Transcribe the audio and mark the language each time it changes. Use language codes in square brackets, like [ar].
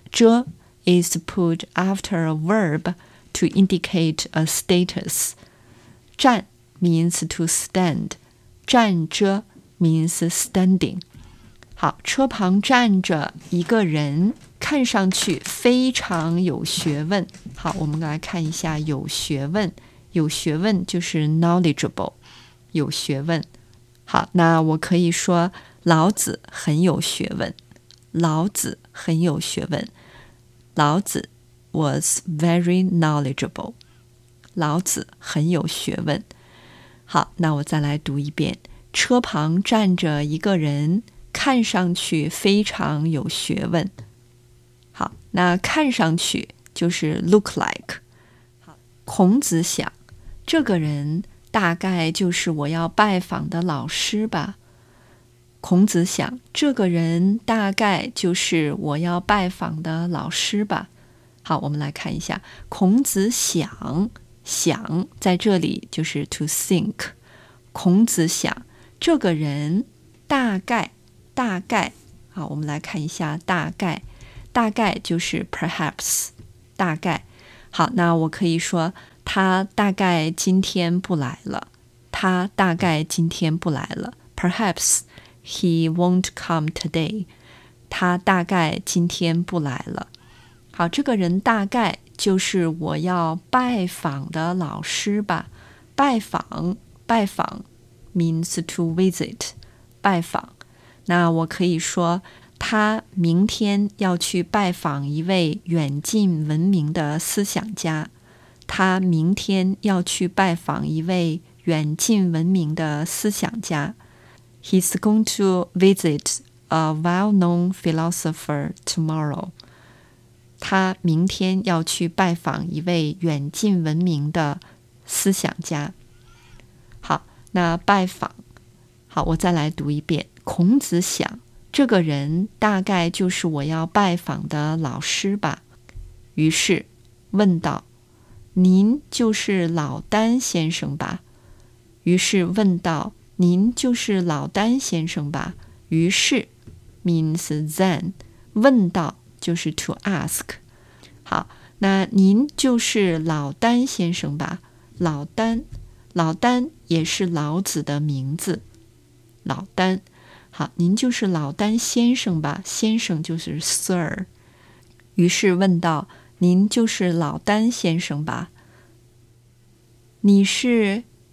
[en] 遮is put after a verb to indicate a status. 站 means to stand. 站着 means standing. [zh] 好，车旁站着一个人，看上去非常有学问。好，我们来看一下有学问。有学问就是 knowledgeable, 有学问。好，那我可以说老子很有学问。老子很有学问。 [en] 老子 was very knowledgeable. [zh] 老子很有学问。好，那我再来读一遍。车旁站着一个人，看上去非常有学问。好，那看上去就是 [en] look like。 [zh] 孔子想，这个人大概就是我要拜访的老师吧。孔子想，这个人大概就是我要拜访的老师吧。好，我们来看一下，孔子想，想在这里就是 [en] to think。 [zh] 孔子想，这个人大概，大概。好，我们来看一下大概，大概就是 perhaps， 大概。好，那我可以说，他大概今天不来了，他大概今天不来了。 [en] Perhaps he won't come today， [zh] 他大概今天不来了。好，这个人大概就是我要拜访的老师吧。拜访，拜访 [en] means to visit， [zh] 拜访。那我可以说，他明天要去拜访一位远近闻名的思想家。他明天要去拜访一位远近闻名的思想家。 [en] He's going to visit a well-known philosopher tomorrow. [zh] 他明天要去拜访一位远近闻名的思想家。好，那拜访。好，我再来读一遍。孔子想，这个人大概就是我要拜访的老师吧。于是问道，您就是老丹先生吧？于是问道，您就是老丹先生吧？于是 [en] means then， [zh] 问道就是 [en] to ask。 [zh] 好，那您就是老丹先生吧？老丹，老丹也是老子的名字，老丹。好，您就是老丹先生吧？先生就是 sir。于是问道，您就是老丹先生吧？你是？